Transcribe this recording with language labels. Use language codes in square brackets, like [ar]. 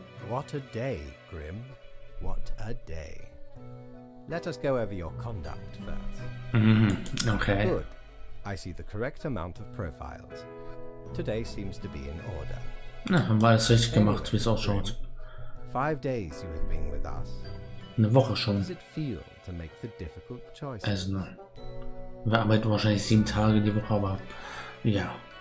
[en] What a day, Grim. What a day. Let us go over your conduct first. Okay. Good. I see the correct amount of profiles. Today seems to be in order. [de] Na, dann war es richtig gemacht, wie es ausschaut. [en] 5 days you have been with us. [de] Eine Woche schon. [en] Does it feel to make the difficult choices? [de] Also, wir arbeiten wahrscheinlich 7 Tage die Woche, aber ja.